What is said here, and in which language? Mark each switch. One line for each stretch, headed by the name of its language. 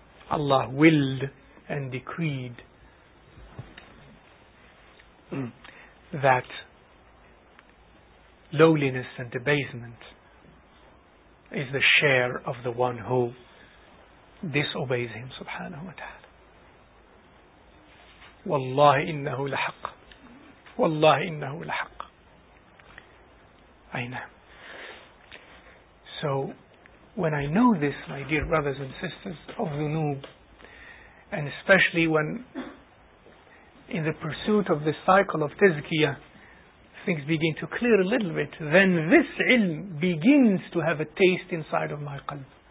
English: Allah willed and decreed that lowliness and debasement is the share of the one who disobeys Him, subhanahu wa ta'ala.
Arabic: والله إنه لحق والله إنه لحق أين.
English: So when I know this, my dear brothers and sisters, of dhunub, and especially when in the pursuit of this cycle of tazkiyah things begin to clear a little bit, then this ilm begins to have a taste inside of my qalb.